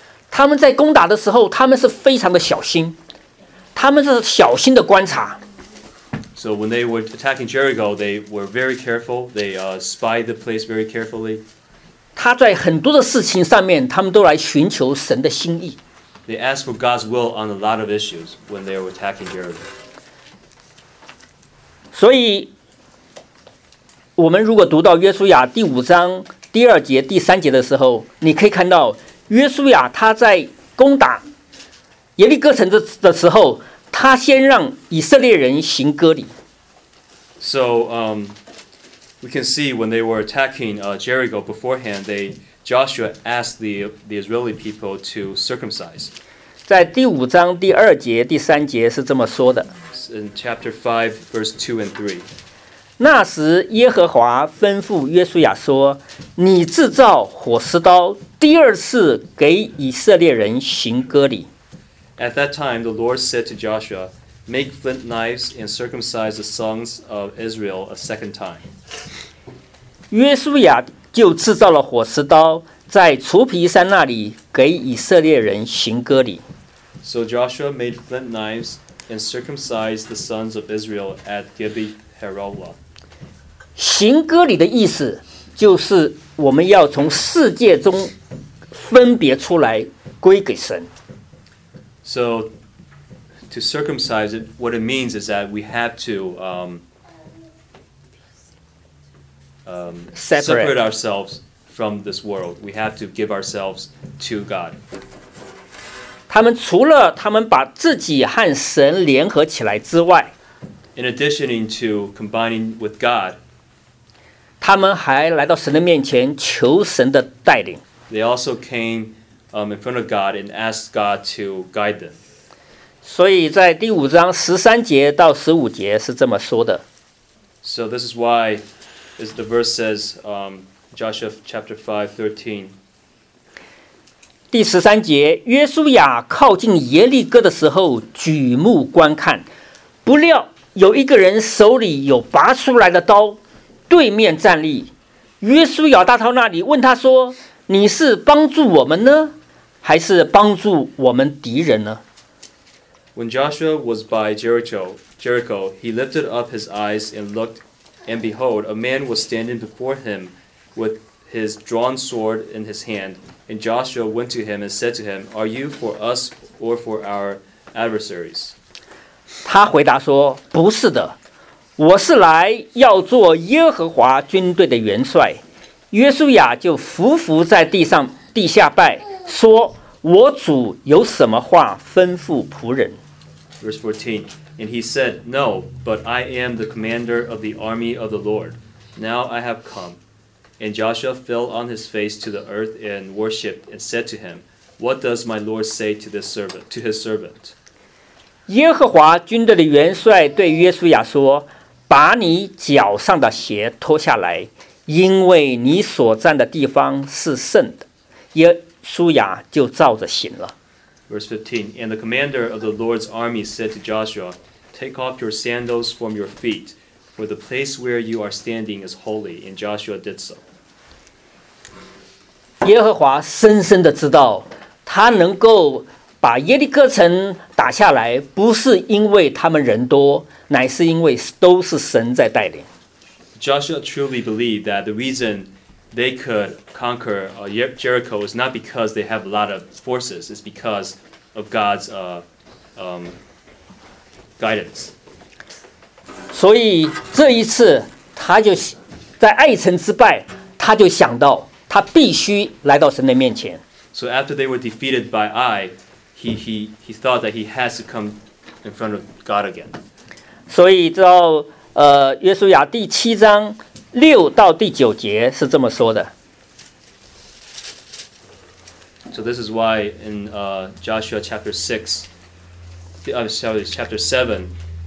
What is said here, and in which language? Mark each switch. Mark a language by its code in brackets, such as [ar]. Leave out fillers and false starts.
[zh] 他们在攻打的时候，他们是非常的小心。他们是小心的观察。 [en] So when they were attacking Jericho, they were very careful. They spied the place very carefully. [zh] 他在很多的事情上面，他们都来寻求神的心意。 [en] They asked for God's will on a lot of issues when they were attacking Jericho. [zh] 所以，我们如果读到约书亚第五章第二节、第三节的时候，你可以看到约书亚他在攻打耶利哥城的时候，他先让以色列人行割礼。 [en] So, we can see when they were attacking Jericho beforehand, Joshua asked the Israeli people to circumcise. [zh] 在第五章第二节、第三节是这么说的。 [en] In chapter 5, verse 2 and 3. [zh] 那时耶和华吩咐约书亚说，你制造火石刀，第二次给以色列人行割礼。 [en] At that time, the Lord said to Joshua, Make flint knives and circumcise the sons of Israel a second time. [zh] 约书亚就制造了火石刀，在除皮山那里给以色列人行割礼。 [en] So Joshua made flint knives and circumcised the sons of Israel at Gibeah Haraloth. [zh] 行割礼的意思就是我们要从世界中分别出来归给神。 [en] So, to circumcise it, what it means is that we have to separate ourselves from this world. We have to give ourselves to God. [zh] 他们除了他们把自己和神联合起来之外， [en] In addition to combining with God, [zh] 他们还来到神的面前求神的带领。 [en] They also cameIn front of God and ask God to guide them. [zh] 所以在第五章十三节到十五节是这么说的。 [en] So this is why the verse says, Joshua chapter 5:13. [zh] 第十三节，约书亚靠近耶利哥的时候，举目观看，不料有一个人手里有拔出来的刀，对面站立。约书亚到他那里问他说：“你是帮助我们呢，还是帮助我们敌人呢？” [en] When Joshua was by Jericho, he lifted up his eyes and looked, and behold, a man was standing before him with his drawn sword in his hand. And Joshua went to him and said to him, "Are you for us or for our adversaries?" [zh] 他回答说，不是的，我是来要做耶和华军队的元帅。约书亚就伏伏在地下拜，说，我主有什么话吩咐仆人？ [en] Verse 14, and he said, "No, but I am the commander of the army of the Lord. Now I have come." And Joshua fell on his face to the earth and worshipped and said to him, "What does my Lord say to this servant, to his servant?" [zh] 耶和华军队的元帅对约书亚说，把你脚上的鞋脱下来，因为你所站的地方是圣的。耶书亚就照着行了。 [en] Verse 15, and the commander of the Lord's army said to Joshua, "Take off your sandals from your feet, for the place where you are standing is holy." And Joshua did so. [zh] 耶和华深深的知道，他能够把耶利哥城打下来，不是因为他们人多，乃是因为都是神在带领。 [en] Joshua truly believed that the reason they could conquer Jericho is not because they have a lot of forces, it's because of God's guidance. [zh] 所以这一次他就在爱城之败，他就想到他必须来到神的面前。 [en] So after they were defeated by Ai, he thought that he has to come in front of God again. [zh] 所以到约书亚第七章六到第九节是这么说的。 [en] So this is why in Joshua chapter 6, chapter 7,